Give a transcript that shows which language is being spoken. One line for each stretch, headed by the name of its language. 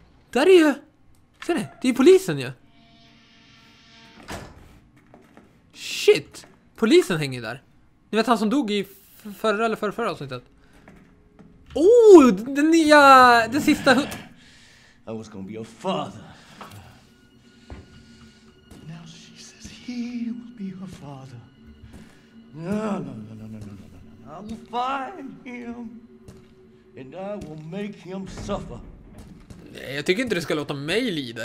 Swedish: Där är ju... Ser ni? Det är ju polisen ju. Shit! Polisen hänger där. Ni vet han som dog i förra eller förra avsnittet. Den nya... Den sista...
English: I was gonna be your father. Now she says he will be her father. No. I will find him. And I will make him suffer.
Swedish: Nej, jag tycker inte du ska låta mig lida.